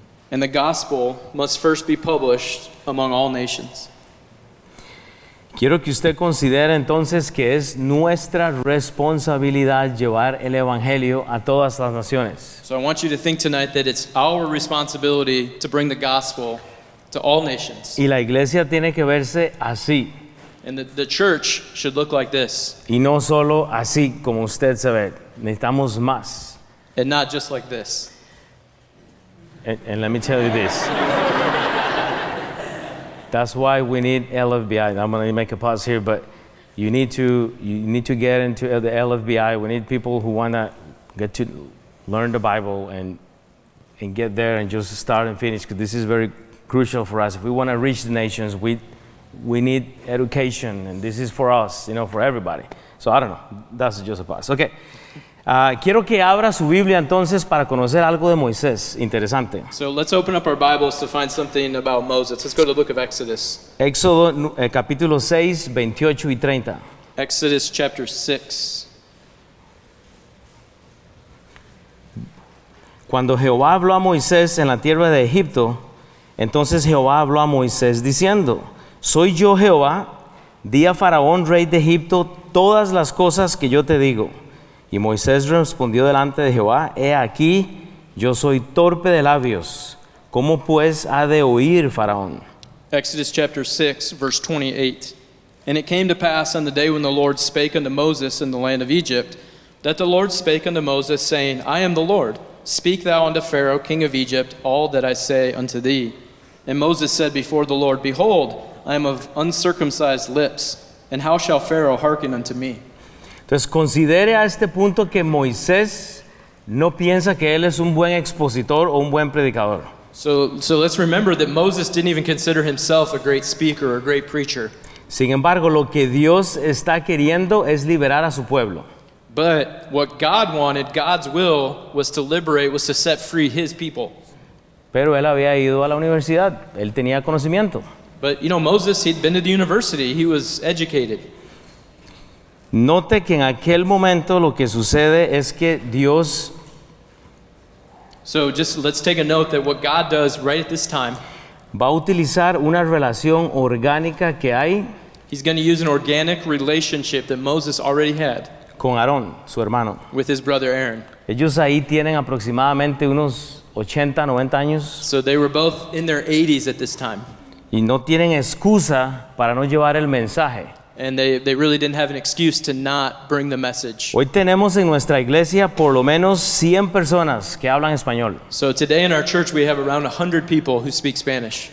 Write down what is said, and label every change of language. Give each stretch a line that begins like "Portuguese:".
English: And the gospel must first be published among all nations.
Spanish: Quiero que usted considere entonces que es nuestra responsabilidad llevar el evangelio a todas las naciones.
English: So I want you to think tonight that it's our responsibility to bring the gospel to all nations.
Spanish: Y la iglesia tiene que verse así.
English: And the church should look like this.
Spanish: Y no solo así como usted se ve. Necesitamos más.
English: And not just like this. And let me tell you this. That's why we need LFBI. I'm going to make a pause here, but you need to get into the LFBI. We need people who want to get to learn the Bible and get there and just start and finish, because this is very crucial for us. If we want to reach the nations, we need education, and this is for us, you know, for everybody. So I don't know. That's just a pause. Okay.
Spanish: Quiero que abra su Biblia entonces para conocer algo de Moisés. Interesante.
English: So let's open up our Bibles to find something about Moses. Let's go to the book of Exodus.
Spanish: Éxodo capítulo 6, 28 y 30.
English: Exodus chapter 6.
Spanish: Cuando Jehová habló a Moisés en la tierra de Egipto, entonces Jehová habló a Moisés diciendo, soy yo Jehová, di a Faraón, rey de Egipto, todas las cosas que yo te digo. Y Moisés respondió delante de Jehová, he aquí, Yo soy torpe de labios. ¿Cómo pues ha de oír Faraón?
English: Exodus chapter 6, verse 28. And it came to pass on the day when the Lord spake unto Moses in the land of Egypt, that the Lord spake unto Moses, saying, I am the Lord. Speak thou unto Pharaoh, king of Egypt, all that I say unto thee. And Moses said before the Lord, Behold, I am of uncircumcised lips, and how shall Pharaoh hearken unto me?
Spanish: Entonces, considere a este punto que Moisés no piensa que él es un buen expositor o un buen predicador.
English: So let's remember that Moses didn't even consider himself a great speaker or a great preacher.
Spanish: Sin embargo, lo que Dios está queriendo es liberar a su pueblo.
English: But what God wanted, God's will, was to liberate, was to set free his people.
Spanish: Pero él había ido a la universidad. Él tenía conocimiento.
English: But, you know, Moses, he'd been to the university. He was educated.
Spanish: Note que en aquel momento lo que sucede es que Dios...
English: So just let's take a note that what God does right at this time...
Spanish: Va a utilizar una relación orgánica que hay...
English: He's going to use an organic relationship that Moses already had...
Spanish: Con Aarón, su hermano.
English: With his brother Aaron.
Spanish: Ellos ahí tienen aproximadamente unos 80, 90 años.
English: So they were both in their 80s at this time.
Spanish: Y no tienen excusa para no llevar el mensaje.
English: And they really didn't have an excuse to not bring the message.
Spanish: Hoy tenemos en nuestra iglesia por lo menos 100 personas que hablan español.
English: So today in our church we have around 100 people who speak Spanish.